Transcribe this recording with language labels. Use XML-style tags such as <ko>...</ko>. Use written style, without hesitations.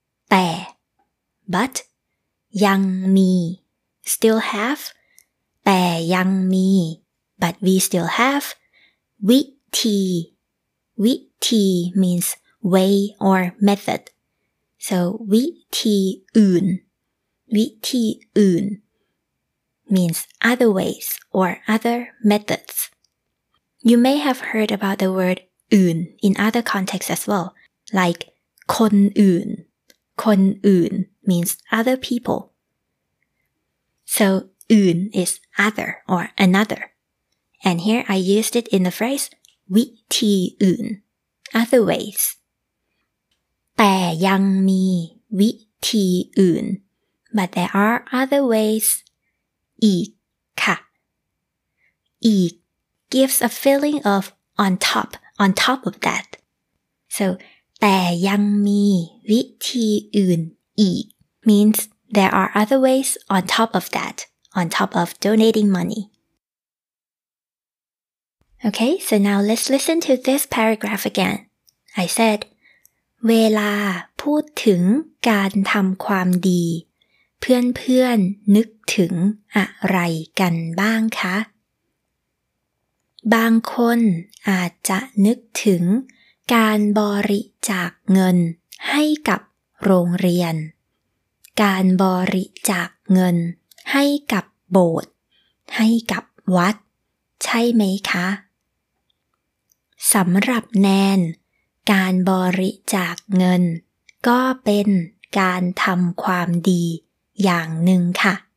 <en>แต่ but ยังมี still have</en> <th>แต่ยังมี</th> <en>but we still have</en> <th>วิธี วิธี</th> <en>means way or method. So</en> <th>วิธีอื่นวิธีอื่น</th> <en>means other ways or other methods. You may have heard about the word อื่น in other contexts as well, like</en> <th>คนอื่น คนอื่น</th> <en>means other people. So อื่น is other or another. And here I used it in the phrase</en> <th>วิธีอื่น</th> <en>other ways.</en> <th>แต่ยังมีวิธีอื่น</th> <en>But there are other ways.</en> <th>อีกค่ะ.</th> <en>อีก gives a feeling of on top of that. So,</en> <th>แต่ยังมีวิธีอื่นอีก</th> <en>means there are other ways on top of that, on top of donating money. Okay, so now let's listen to this paragraph again. I said,</en> <th>เวลาพูดถึงการทำความดีเพื่อนๆนึกถึงอะไรกันบ้างคะ บางคนอาจจะนึกถึงการบริจาคเงินให้กับโรงเรียนการบริจาคเงินให้กับโบสถ์ให้กับวัดใช่ไหมคะสำหรับแนนการบริจาคเงินก็เป็นการทำความดีอย่างหนึ่งค่ะ</th>